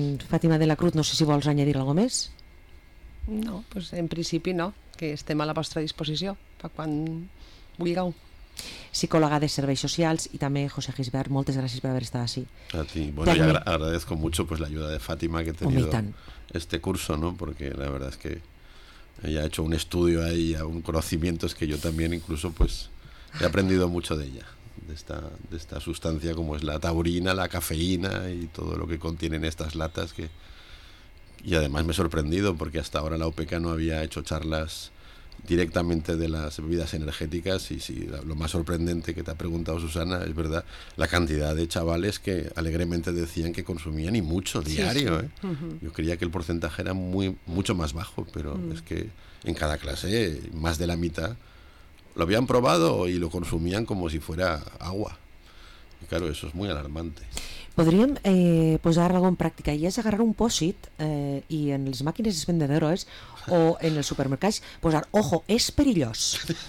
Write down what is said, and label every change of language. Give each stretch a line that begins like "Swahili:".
Catalan: Fàtima de la Cruz, no sé si vols añadir alguna cosa més. No, pues en principi no, que estem a la vostra disposició per quan vulgueu. Psicòloga de serveis socials i també José Gisbert, moltes gràcies per haver estat així.
Spanish: A ti, bueno, y agradezco mucho pues la ayuda de Fátima que he tenido este curso, ¿no? Porque la verdad es que ella ha hecho un estudio ahí, un conocimiento, es que yo también incluso pues he aprendido mucho de ella. de esta sustancia como es la taurina, la cafeína y todo lo que contienen estas latas. Que y además me he sorprendido porque hasta ahora la OPECA no había hecho charlas directamente de las bebidas energéticas, y si lo más sorprendente que te ha preguntado Susana es verdad, la cantidad de chavales que alegremente decían que consumían, y mucho, diario. Sí, sí. Yo creía que el porcentaje era mucho más bajo, pero es que en cada clase más de la mitad lo habían probado y lo consumían como si fuera agua. Y claro, eso es muy alarmante.
Catalan: Podríem posar algo en pràctica, i és agarrar un pòsit i en les màquines expendedores o en els supermercats posar ojo, és perillós.